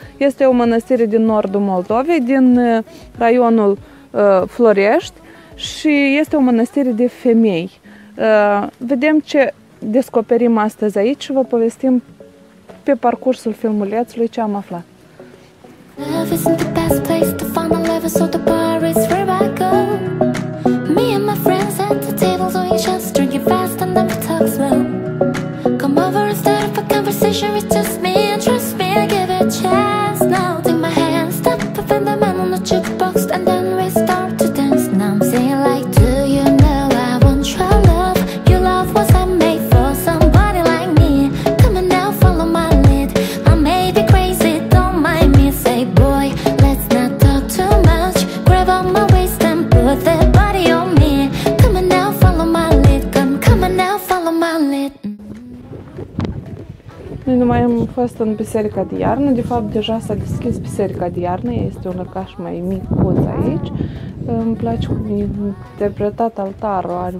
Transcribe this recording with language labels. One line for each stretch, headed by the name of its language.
Romanian: Este o mănăstire din nordul Moldovei, din raionul Florești și este o mănăstire de femei. Vedem ce descoperim astăzi aici și vă povestim pe parcursul filmulețului ce am aflat.
English: Love isn't the best place to find a lover, so the bar is where I go. Me and my friends at the tables, so you just drink it fast and never talk slow. Come over and start up a conversation with just me, and trust me, I give it a chance. Now take my hand, stop and find the man on the jukebox, and then we start to dance. Now I'm saying like, do you know I want your love? Your love was I made for somebody like me. Come on now, follow my lead. I may be crazy, say boy, let's not talk too much. Grab on my waist and put the body on me. Come on now, follow my lead. Come on now, follow my lead.
Romanian: Noi nu mai am fost în biserica de iarnă. De fapt, deja s-a deschis biserica de iarnă. Este un lăcaș mai micuț aici. Îmi place cum e interpretat altarul.